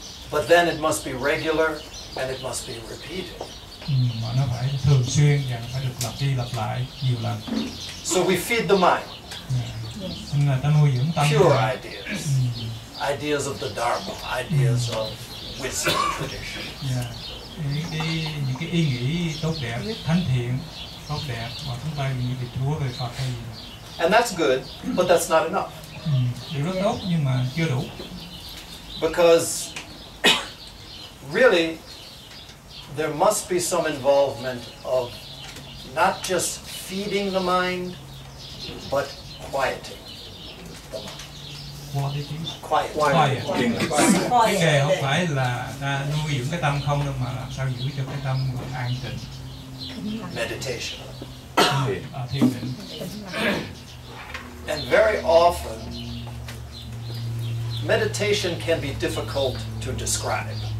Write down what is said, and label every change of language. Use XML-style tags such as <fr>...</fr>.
<en>But then it must be regular and it must be repeated.</en> <vi>Mà nó phải thường xuyên và nó phải được lặp đi lặp lại nhiều lần.</vi> <en>So we feed the mind.</en> <vi>Yeah. Yeah. Ta nuôi dưỡng tâm.</vi> <en>Pure ideas. Ideas of the Dharma, ideas of wisdom tradition. Yeah.</en> <vi>Những cái ý nghĩ tốt đẹp, thánh thiện, tốt đẹp mà chúng ta nghĩ về Chúa, về Phật hay gì.</vi> <en>And that's good, but that's not enough.</en> <vi>Điều rất tốt nhưng mà chưa đủ.</vi> <en>Because really, there must be some involvement of not just feeding the mind, but quieting the mind. Quieting.</en> <vi>Cái nghề không phải là nuôi dưỡng cái tâm không đâu mà làm sao giữ cho cái tâm an tịnh.</vi> <en>Meditation.</en> <vi>Thiền.</vi> <en>And very often, meditation can be difficult to describe.</en>